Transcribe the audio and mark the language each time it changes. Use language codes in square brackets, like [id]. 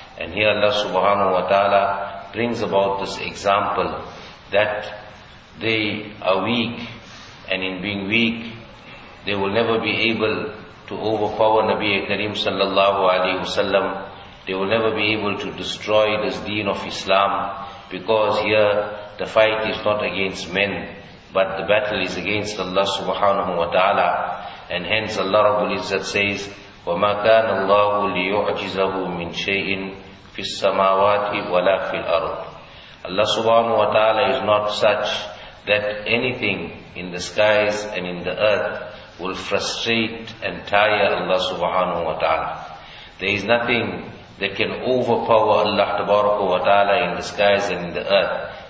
[en] And here Allah subhanahu wa ta'ala brings about this example that they are weak, and in being weak they will never be able to overpower Nabi Karim sallallahu alayhi wa sallam. They will never be able to destroy this deen of Islam, because here the fight is not against men, but the battle is against Allah subhanahu wa ta'ala. And hence Allah Rabbul Izzat says, [ar] وَمَا كَانَ اللَّهُ لِيُعْجِزَهُ مِنْ شَيْءٍ فِي السَّمَاوَاتِ وَلَا فِي الْأَرْضِ. [en] Allah subhanahu wa ta'ala is not such that anything in the skies and in the earth will frustrate and tire Allah subhanahu wa ta'ala. There is nothing that can overpower Allah tabaraka wa ta'ala in the skies and in the earth.